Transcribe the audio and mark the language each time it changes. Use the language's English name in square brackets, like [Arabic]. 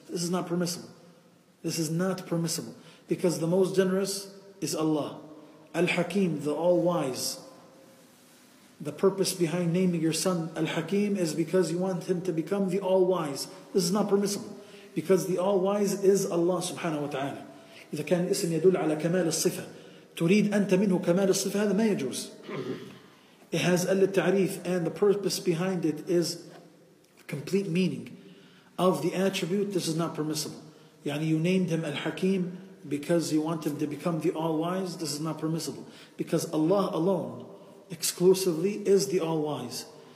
[English] This is not permissible. This is not permissible. Because the most generous is Allah. Al-Hakim, the all-wise. The purpose behind naming your son Al-Hakim is because you want him to become the all-wise. This is not permissible. Because the all-wise is Allah subhanahu wa ta'ala. [Arabic] إذا كان الاسم يدل على كمال الصفة تريد أنت منه كمال الصفة هذا ما يجوز. [English] It has al-ta'rif and the purpose behind it is complete meaning of the attribute. This is not permissible. يعني you named him Al-Hakim because you want him to become the all-wise, this is not permissible. Because Allah alone, exclusively, is the all-wise.